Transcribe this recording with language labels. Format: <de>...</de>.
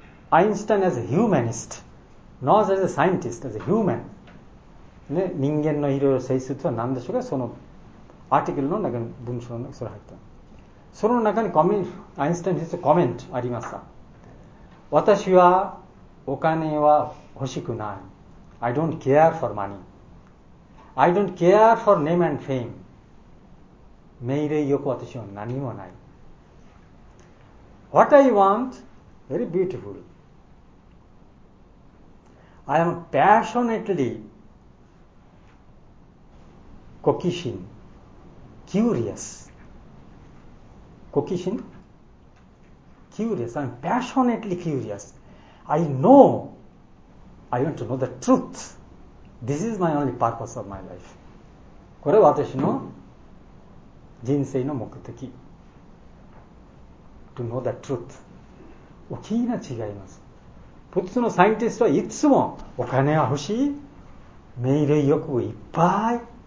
<ja>アインシュタイン</ja> <en>as a humanist, not as a scientist, as a human.、</en> <ja>ね、人間のいろいろ性質とは何でしょうか、そのアーティクルの中に文章の入った。その中にアインシュタインのコメントありました。私はお金は欲しくない。</ja> <en>I don't care for money. I don't care for name and fame.</en> <ja>命令欲は私は何もない。</ja> <en>What I want, very beautiful. I am passionately 好奇心 curious. 好奇心 curious. I'm passionately curious. I knowI want to know the truth. This is my only purpose of my life.</en> <ja>これは私の人生の目的。</ja> <en>To know the truth.</en> <ja>大きな違います。普通のサイエンティストはいつもお金は欲しい、命令欲をいっぱい。</ja>